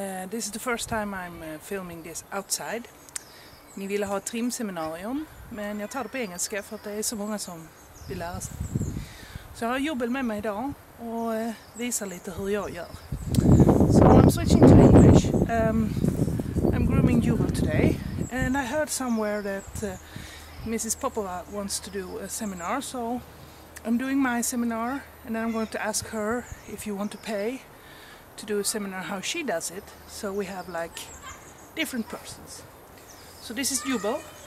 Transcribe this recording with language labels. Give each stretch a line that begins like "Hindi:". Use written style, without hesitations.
English: This is the first time I'm filming this outside.
Swedish: Ni ville ha trimseminarium, men jag tar det på engelska för att det är så många som vill lära sig. Så jag har jobbat med mig idag och visar lite hur jag gör.
English: So I'm switching to English. I'm grooming Jubel today, and I heard somewhere that Mrs. Popova wants to do a seminar, so I'm doing my seminar, and then I'm going to ask her if you want to pay to do a seminar how she does it, so we have like different persons. So this is Jubel.